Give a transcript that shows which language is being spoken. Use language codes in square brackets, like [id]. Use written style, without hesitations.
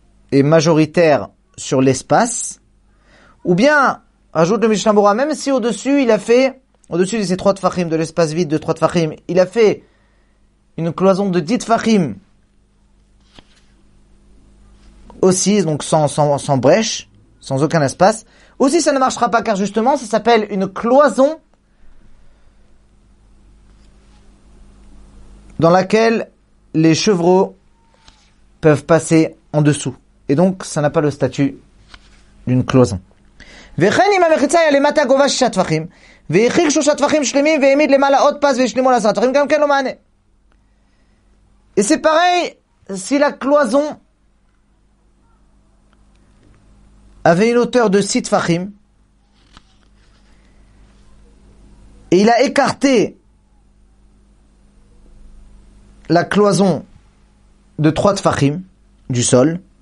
[fr] est majoritaire sur l'espace, ou bien ajoute le Mishnah Bora, même si au-dessus il a fait, au-dessus de ces trois tfachim, de l'espace vide de trois tfachim, il a fait une cloison de 10 tfachim aussi, donc sans brèche, sans aucun espace. Aussi, ça ne marchera pas, car justement, ça s'appelle une cloison dans laquelle les chevreaux peuvent passer en dessous. Et donc, ça n'a pas le statut d'une cloison. [he] וכן אם המחיצה היה למטה גובה שישה תפחים, והחיק שלושה תפחים שלמים, והעמיד למעלה עוד פס וישלימו לעשרה תפחים, גם כן לא מענה. [fr] Et c'est pareil si la cloison avait une hauteur de 6 תפחים, et il a écarté la cloison de 3 תפחים du sol,